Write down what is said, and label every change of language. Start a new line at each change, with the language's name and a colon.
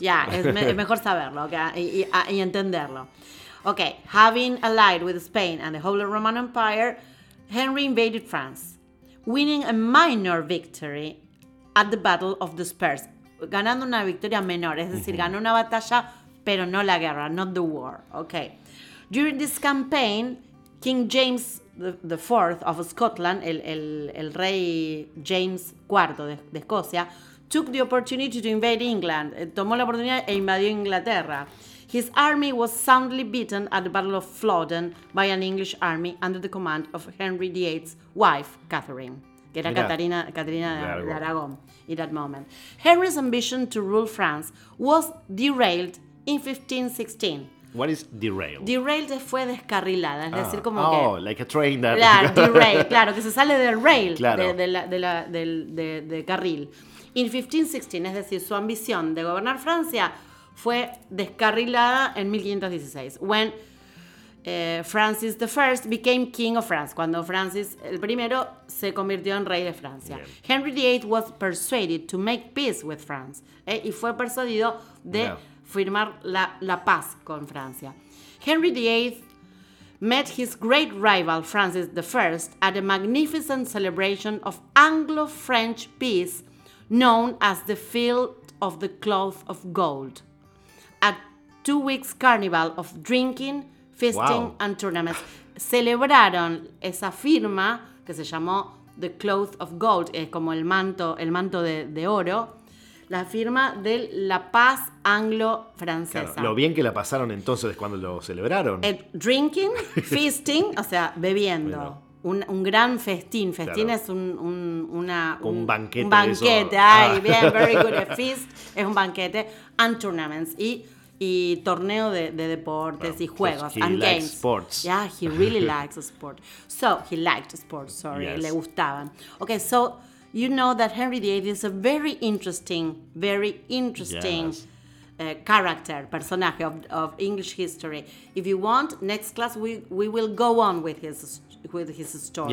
Spanish: Yeah, es mejor saberlo, okay? y entenderlo.
English: Okay, having allied with Spain and the Holy Roman Empire, Henry invaded France, winning a minor victory at the Battle of the Spurs.
Spanish: Ganando una victoria menor, es decir, ganó una batalla, pero no la guerra,
English: not the war. Okay. During this campaign, King James IV of Scotland,
Spanish: el rey James IV de Escocia,
English: took the opportunity to invade England.
Spanish: Tomó la oportunidad e invadió Inglaterra.
English: his army was soundly beaten at the Battle of Flodden by an English army under the command of Henry VIII's wife, Catherine,
Spanish: que era Catarina de Aragón,
English: in that moment. Henry's ambition to rule France was derailed in 1516. What is derailed?
Spanish: Derailed fue descarrilada, es decir, como oh, que...
English: Oh, like a train that...
Spanish: derailed, claro, que se sale del rail, de carril.
English: In 1516,
Spanish: es decir, su ambición de gobernar Francia fue descarrilada en 1516,
English: when Francis I became king of France,
Spanish: cuando Francis el primero se convirtió en rey de Francia.
English: Yeah. Henry VIII was persuaded to make peace with France,
Spanish: y fue persuadido de...
English: Yeah.
Spanish: Firmar la paz con Francia.
English: Henry VIII met his great rival Francis I at a magnificent celebration of Anglo-French peace known as the Field of the Cloth of Gold. A 2 weeks carnival of drinking, feasting, wow, and tournaments.
Spanish: Celebraron esa firma que se llamó the Cloth of Gold, es como el manto de oro. La firma de la paz anglo-francesa. Claro, lo bien que la pasaron entonces cuando lo celebraron.
English: Drinking, feasting,
Spanish: o sea, bebiendo. Bueno. Un gran festín. Festín, claro, es un banquete. Un banquete, eso. Ay, bien,
English: very good. A feast
Spanish: es un banquete.
English: And tournaments.
Spanish: Y torneo de deportes, bueno, y juegos.
English: He and likes games. Sports. Yeah, he really likes sports. So, he liked sports, sorry. Yes.
Spanish: Le gustaban.
English: Okay, so... You know that Henry VIII is a very interesting yes, character, personage of English history. If you want, next class we will go on with his story.